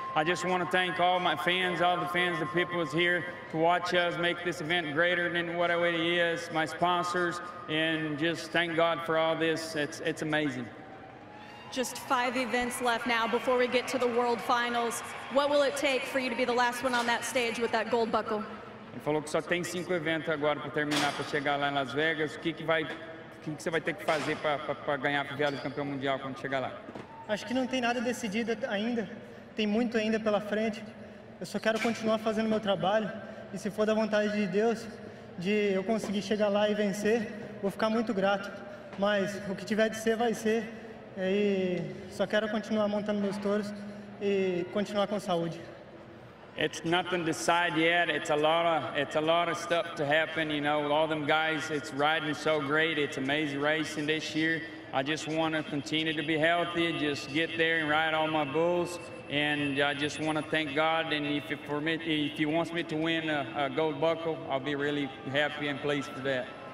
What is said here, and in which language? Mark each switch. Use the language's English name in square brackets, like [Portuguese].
[English] I just want to thank all my fans, all the fans, the people who's here to watch us make this event greater than what it is, my sponsors, and just thank God for all this. It's amazing. Just 5 events left now before we get to the world finals. What will it take for you to be the last one on that stage with that gold buckle? [Portuguese] Ele falou que só tem 5 eventos agora para terminar, para chegar lá em Las Vegas. O que você vai ter que fazer para ganhar a fivela de campeão mundial quando chegar lá? Acho que não tem nada decidido ainda. Tem muito ainda pela frente. Eu só quero continuar fazendo meu trabalho. E se for da vontade de Deus, de eu conseguir chegar lá e vencer, vou ficar muito grato. Mas o que tiver de ser, vai ser. E só quero continuar montando meus touros e continuar com saúde. [English] It's nothing to decide yet. It's a lot of stuff to happen. You know, all them guys, it's riding so great. It's amazing racing this year. I just want to continue to be healthy, just get there and ride all my bulls. And I just want to thank God. And if he wants me to win a gold buckle, I'll be really happy and pleased for that.